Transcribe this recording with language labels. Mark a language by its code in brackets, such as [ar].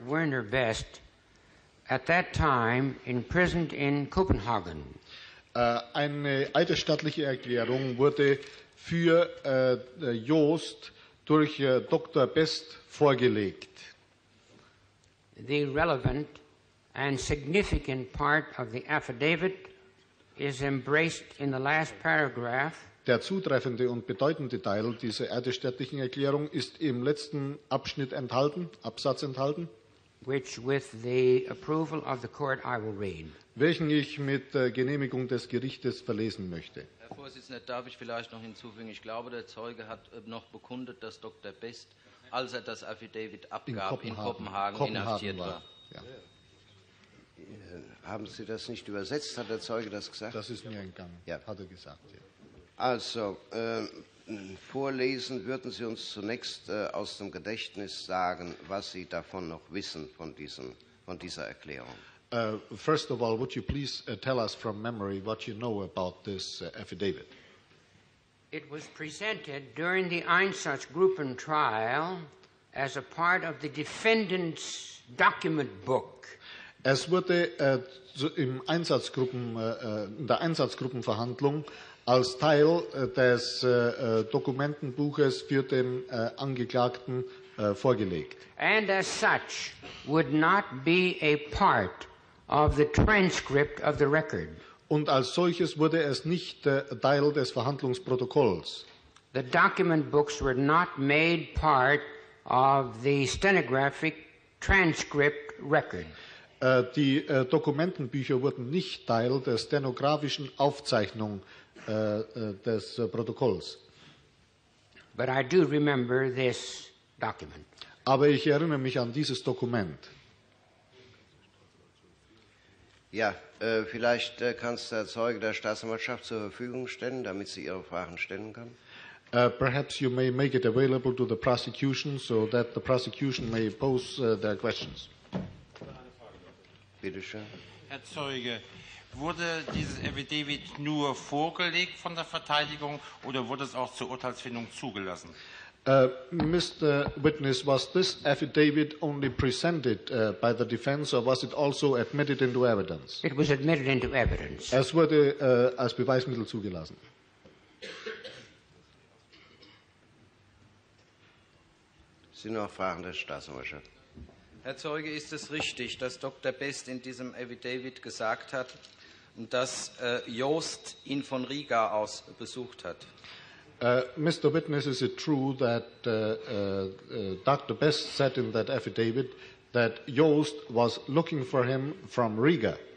[en] Werner Best, at that time imprisoned in Copenhagen. [de] Eine eidesstattliche Erklärung wurde für Jost durch Dr. Best vorgelegt. [en] The relevant and significant part of the affidavit is embraced in the last paragraph. [de] Der zutreffende und bedeutende Teil dieser eidesstattlichen Erklärung ist im letzten Abschnitt enthalten, Absatz enthalten. [en] Which with the approval of the court I will read. [de] Welchen ich mit Genehmigung des Gerichtes verlesen möchte. Herr Vorsitzender, darf ich vielleicht noch hinzufügen? Ich glaube, der Zeuge hat noch bekundet, dass Dr. Best, als er das Affidavit abgab, in Kopenhagen inhaftiert war. Ja. Haben Sie das nicht übersetzt? Hat der Zeuge das gesagt? Das ist mir entgangen, ja. Hat er gesagt. Ja. Also, vorlesen würden Sie uns zunächst aus dem Gedächtnis sagen, was Sie davon noch wissen, von dieser Erklärung. [en] First of all, would you please tell us from memory what you know about this affidavit? It was presented during the Einsatzgruppen trial as a part of the defendant's document book. [de] Es wurde im Einsatzgruppen, in der Einsatzgruppenverhandlung als Teil des Dokumentenbuches für den Angeklagten vorgelegt. [en] And as such would not be a part of the transcript of the record. [de] Und als solches wurde es nicht Teil des Verhandlungsprotokolls. [en] The document books were not made part of the stenographic transcript record. [de] Die Dokumentenbücher wurden nicht Teil der stenografischen Aufzeichnung des Protokolls. [en] But I do remember this document. [de] Aber ich erinnere mich an dieses Dokument. Ja, vielleicht kannst du der Zeuge der Staatsanwaltschaft zur Verfügung stellen, damit sie ihre Fragen stellen kann. [en] Perhaps you may make it available to the prosecution, so that the prosecution may pose their questions. [de] Bitte schön. Herr Zeuge, wurde dieses Affidavit nur vorgelegt von der Verteidigung oder wurde es auch zur Urteilsfindung zugelassen? [en] Mr. Witness, was this affidavit only presented by the defense or was it also admitted into evidence? It was admitted into evidence. [de] Es wurde als Beweismittel zugelassen. Sind noch Fragen der Staatsanwaltschaft? Herr Zeuge, ist es richtig, dass Dr. Best in diesem Affidavit gesagt hat, dass Joost ihn von Riga aus besucht hat? [en] Mr. Witness, is it true that Dr. Best said in that affidavit that Joost was looking for him from Riga?